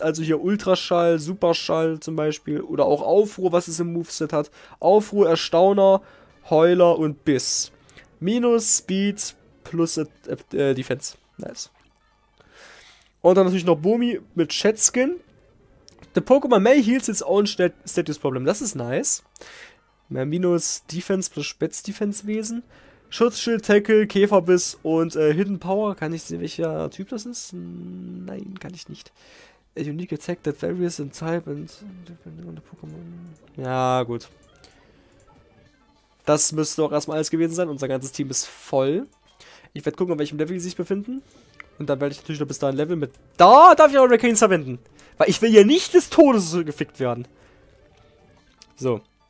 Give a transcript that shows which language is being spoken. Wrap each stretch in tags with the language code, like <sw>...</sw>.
<de>Also hier Ultraschall, Superschall zum Beispiel. Oder auch Aufruhr, was es im Moveset hat. Aufruhr, Erstauner, Heuler und Biss. Minus Speed plus Defense. Nice. Und dann natürlich noch Bomi mit Shedskin.</de> <en>The Pokémon may heals its own status problem.</en> <de>Das ist nice. Minus Defense plus Spitz-Defense Wesen. Schutzschild, Tackle, Käferbiss und Hidden Power. Kann ich sehen, welcher Typ das ist? Nein, kann ich nicht.</de> <en>A unique attack that varies in type and depending on the Pokémon.</en> <de>Ja, gut. Das müsste auch erstmal alles gewesen sein. Unser ganzes Team ist voll. Ich werde gucken, auf welchem Level sie sich befinden. Und dann werde ich natürlich noch bis dahin Level mit... Da darf ich auch Rekanes verwenden. Weil ich will hier nicht des Todes gefickt werden. So.</de>